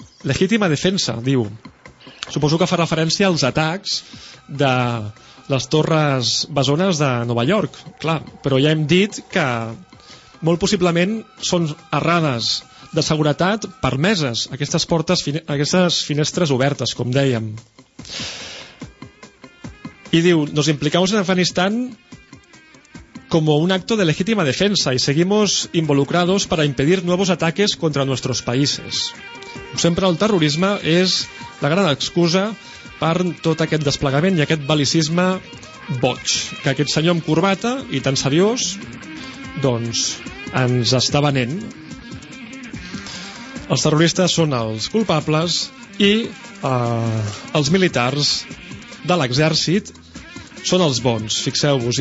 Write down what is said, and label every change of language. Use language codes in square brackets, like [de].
[ca] Legítima defensa, diu. Suposo que fa referència als atacs de les torres bessones de Nova York, clar, però ja hem dit que molt possiblement són errades de seguretat permeses, aquestes finestres obertes, com dèiem. [es] I diu, nos implicamos en Afganistán como un acto de legítima defensa y seguimos involucrados para impedir nuevos ataques contra nuestros países. [ca] Sempre el terrorisme és la gran excusa per tot aquest desplegament i aquest bel·licisme boig que aquest senyor amb corbata i tan seriós ens està venent. Els terroristes són els culpables i els militars de l'exèrcit són els bons, fixeu-vos.